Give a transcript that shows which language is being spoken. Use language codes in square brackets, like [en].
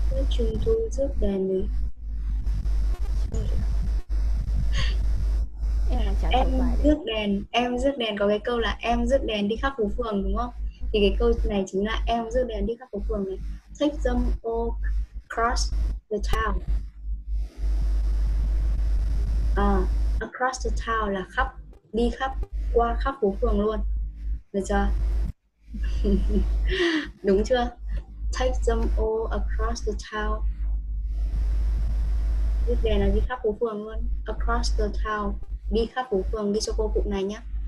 [vi] Trung thu rước đèn Thuộc bài em đấy. rước đèn, em rước đèn có cái câu là em rước đèn đi khắp phố phường đúng không? Thì cái câu này chính là em rước đèn đi khắp phố phường này. [en] Take them all across the town. Across the town [vi] là khắp, đi khắp, qua khắp phố phường luôn. Được chưa? Đúng chưa? [en] Take them all across the town. [vi] Đèn là đi khắp phố phường luôn. [en] Across the town. [vi] Đi khắp phố phường, đi cho cô cụm này nhé.